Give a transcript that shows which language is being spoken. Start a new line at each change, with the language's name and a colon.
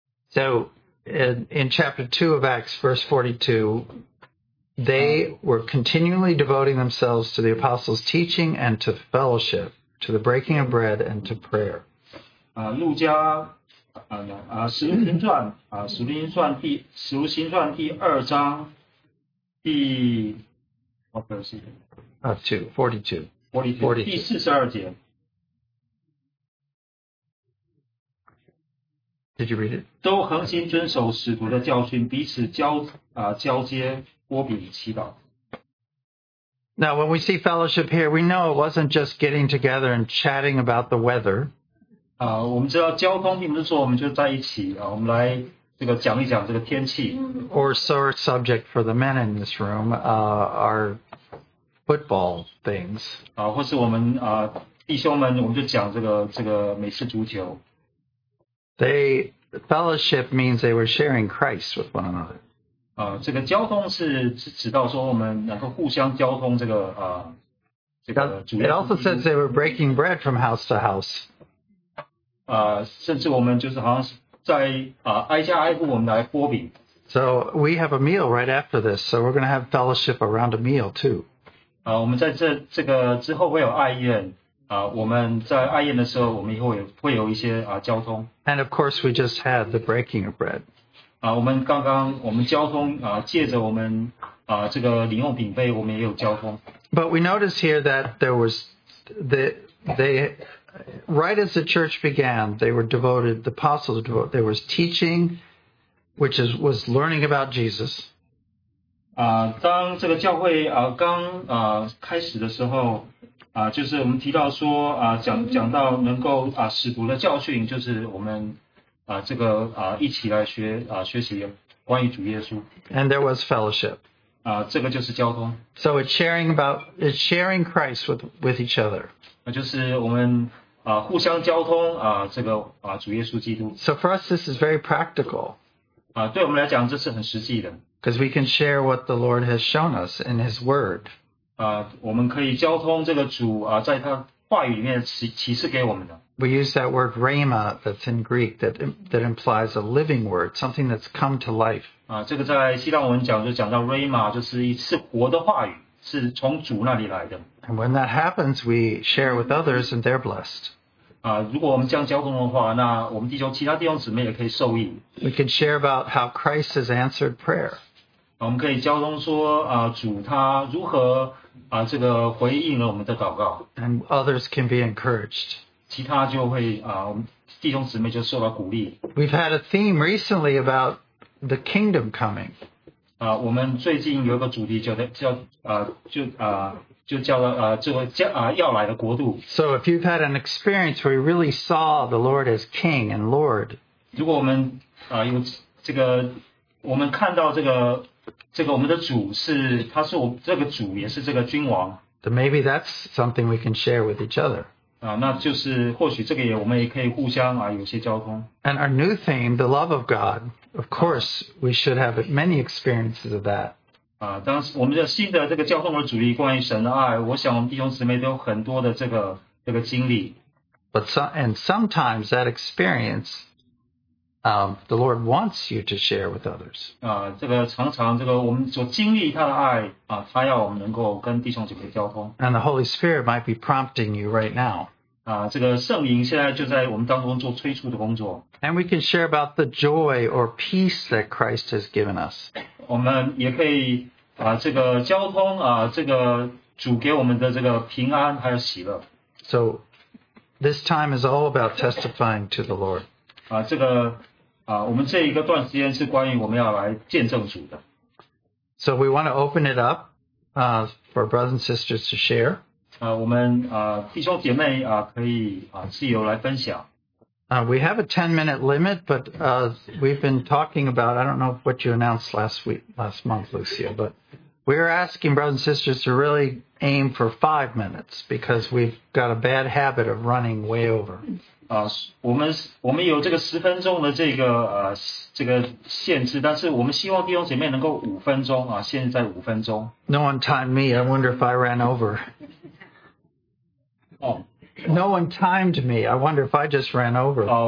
English: So in chapter 2 of Acts, verse 42, they were continually devoting themselves to the apostles' teaching and to fellowship. To the breaking of bread and to prayer.
Chinese: 路加使徒行传使徒行传第二章第四十二节。
English: Did you read it?
Chinese: 都恒心遵守使徒的教训，彼此交接，擘饼祈祷。
English: Now, when we see fellowship here, we know it wasn't just getting together and chatting about the weather.
Chinese: 我们知道交通并不是说我们就在一起，我们来这个讲一讲这个天气。
English: Or sore subject for the men in this room, are football things.
Chinese: 或是我们弟兄们，我们就讲这个美式足球。
English: Fellowship means they were sharing Christ with one another.
Chinese: 这个交通是指到说我们能够互相交通这个这个。
English: It also says they were breaking bread from house to house.
Chinese: 甚至我们就是好像在挨家挨户我们来擘饼。
English: So we have a meal right after this, so we're going to have fellowship around a meal too.
Chinese: 我们在这个之后会有爱宴。我们在爱宴的时候我们以后也会有一些交通。
English: And of course we just had the breaking of bread.
Chinese: 我们刚刚我们交通借着我们这个灵用饼杯我们也有交通。
English: But we notice here that there was, right as the church began, they were devoted, the apostles were devoted, there was teaching, which was learning about Jesus.
Chinese: 当这个教会刚开始的时候就是我们提到说啊，讲到能够啊使徒的教训，就是我们啊这个啊一起来学啊学习关于主耶稣。
English: And there was fellowship.
Chinese: 啊，这个就是交通。
English: So it's sharing about it's sharing Christ with each other.
Chinese: 那就是我们啊互相交通啊这个啊主耶稣基督。
English: So for us, this is very practical.
Chinese: 啊，对我们来讲，这是很实际的。
English: Because we can share what the Lord has shown us in His Word.
Chinese: 啊，我们可以交通这个主啊，在他话语里面启示给我们的。
English: We use that word rhema that's in Greek that implies a living word, something that's come to life.
Chinese: 啊，这个在希腊文讲就讲到 rhema, 就是一次活的话语，是从主那里来的。
English: And when that happens, we share with others and they're blessed.
Chinese: 啊，如果我们这样交通的话，那我们弟兄其他弟兄姊妹也可以受益。
English: We can share about how Christ has answered prayer.
Chinese: 啊，我们可以交通说啊，主他如何啊这个回应了我们的祷告。
English: And others can be encouraged.
Chinese: 其他就会啊，弟兄姊妹就受到鼓励。
English: We've had a theme recently about the kingdom coming.
Chinese: 啊，我们最近有一个主题叫要来的国度。
English: So if you've had an experience where you really saw the Lord as King and Lord,
Chinese: 如果我们啊有这个，我们看到这个我们的主是他是我这个主也是这个君王。
English: Then maybe that's something we can share with each other.
Chinese: 那就是或许这个也我们也可以互相啊有些交通。
English: And our new theme, the love of God, of course, we should have many experiences of that.
Chinese: 啊，当时我们的新的这个交通的主题关于神的爱，我想我们弟兄姊妹都有很多的这个经历。
English: But sometimes that experience, the Lord wants you to share with others.
Chinese: 啊，这个常常这个我们所经历他的爱啊，他要我们能够跟弟兄姊妹交通。
English: And the Holy Spirit might be prompting you right now.
Chinese: 啊，这个圣灵现在就在我们当中做催促的工作。
English: And we can share about the joy or peace that Christ has given us.
Chinese: 我们也可以啊，这个交通啊，这个主给我们的这个平安还有喜乐。
English: So this time is all about testifying to the Lord.
Chinese: 啊，这个啊，我们这一个段时间是关于我们要来见证主的。
English: So we want to open it up, for brothers and sisters to share.
Chinese: 我们弟兄姐妹可以自由来分享。
English: We have a 10-minute limit, but we've been talking about, I don't know what you announced last month, Lucia, but we're asking brothers and sisters to really aim for 5 minutes because we've got a bad habit of running way over.
Chinese: 我们有这个十分钟的这个限制，但是我们希望弟兄姐妹能够五分钟啊，限制在五分钟。
English: No one timed me, I wonder if I ran over. No one timed me. I wonder if I just ran over.